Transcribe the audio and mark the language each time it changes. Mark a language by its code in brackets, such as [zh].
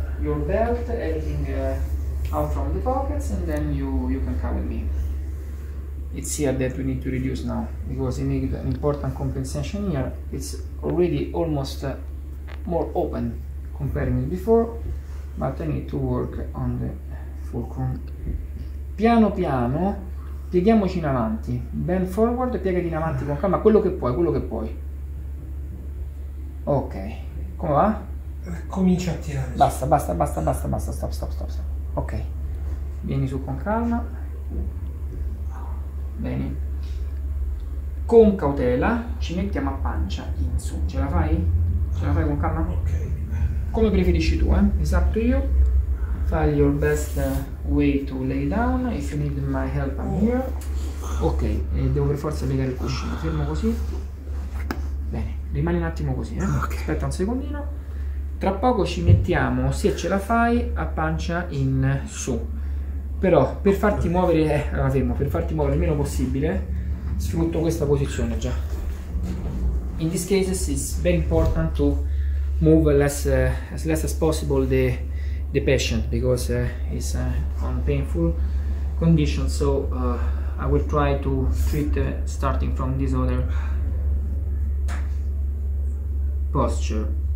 [en] Your belt, everything out from the pockets, and then you can come with me. It's here that we need to reduce now, because you need an important compensation here. It's already almost more open compared to before, but I need to work on the fulcrum. [it] Piano piano, pieghiamoci in avanti. [en] Bend forward, [it] piegati in avanti con calma, quello che puoi, quello che puoi. Ok, come va? Comincia a tirare. Basta, basta, basta, basta, basta, stop, stop, stop, stop. Ok, vieni su con calma. Bene. Con cautela ci mettiamo a pancia in su. Ce la fai? Ce la fai con calma? Ok. Come preferisci tu, eh? [en] It's up to you. Find your best way to lay down. If you need my help, I'm here. [it] Ok, e devo per forza piegare il cuscino. Fermo così. Bene, rimani un attimo così, eh? Okay. Aspetta un secondino. Tra poco ci mettiamo, se ce la fai, a pancia in su. Però per farti muovere, fermo, per farti muovere il meno possibile, sfrutto questa posizione già. [en] In this case it's very important to move as less as possible the patient, because it's on painful condition, so I will try to treat starting from this other posture.